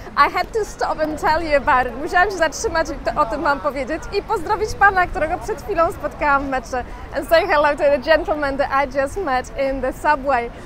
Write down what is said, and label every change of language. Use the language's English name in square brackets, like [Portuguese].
[English] I had to stop and tell you about it. [Polish] Musiałam się zatrzymać i o tym mam powiedzieć. I pozdrowić pana, którego przed chwilą spotkałam w metrze. [English] And say hello to the gentleman that I just met in the subway.